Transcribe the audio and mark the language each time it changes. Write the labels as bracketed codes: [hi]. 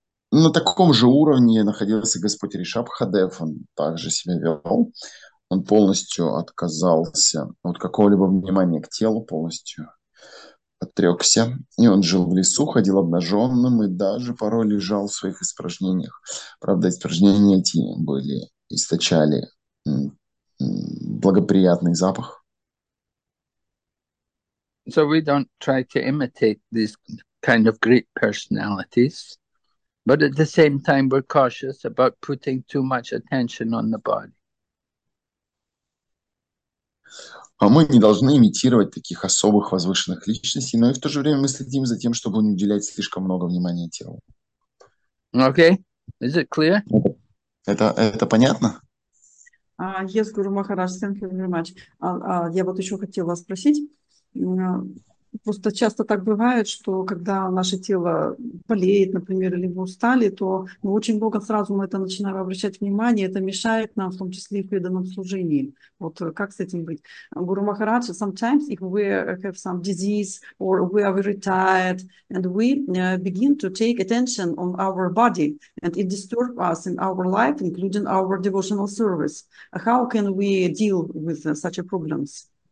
[ru] На таком же уровне находился Господь Ришабхадев, он также себя вел, он полностью отказался от какого-либо внимания к телу, полностью отрекся, и он жил в лесу, ходил обнаженным и даже порой лежал в своих испражнениях. Правда, испражнения эти источали благоприятный запах. [en] So we don't try to imitate these kind of great personalities, but at the same time, we're cautious about putting too much attention on the body. [ru] А мы не должны имитировать таких особых возвышенных личностей, но и в то же время мы следим за тем, чтобы не уделять слишком много внимания телу. [en] Okay, is it clear? [ru] Это понятно? [en] Yes, Guru Maharaj, thank you very much. [ru] Я вот еще хотела спросить. Просто часто так бывает, что когда наше тело болеет, например, или мы устали, то мы очень много сразу на это начинаем обращать внимание, это мешает нам, в том числе и в преданном служении. Вот как с этим быть? [en] Гуру Махарадж, sometimes if we have some disease or we are very tired and we begin to take attention on our body and it disturbs us in our life, including our devotional service, how can we deal with such problems?